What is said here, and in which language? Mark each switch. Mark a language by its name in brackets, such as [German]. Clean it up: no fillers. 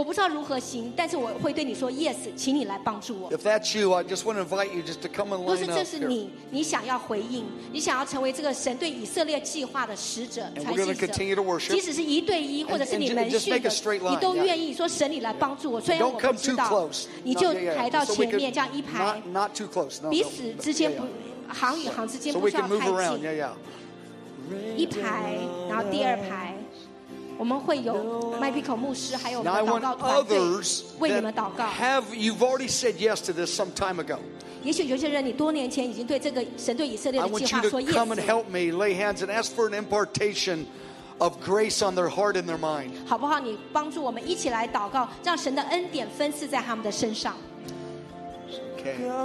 [English] If that's you, I just want to invite you just to come and line up here. [Chinese] 你想要回应, 你想要成为这个神对以色列计划的使者, [English] and we're going to continue to worship. [Chinese] 即使是一对一, [English] and, [Chinese] 或者是你们信的, [English] just make a straight line. [Chinese] 你都愿意说神你来帮助我, [English] yeah. Don't come too close. [Chinese] 你就排到前面, [English] so we can, not too close. No, [Chinese] 彼此之间, [English] no, yeah, yeah. [Chinese] 行与行之间, [English] so we can move around. Yeah, yeah. [Chinese] 一排, 然后第二排, 我们会有 Bickle 牧师, 还有我们的祷告团队, [English] now I want others that have, you've already said yes to this some time ago. I want you to come and help me lay hands and ask for an impartation of grace on their heart and their mind. Okay.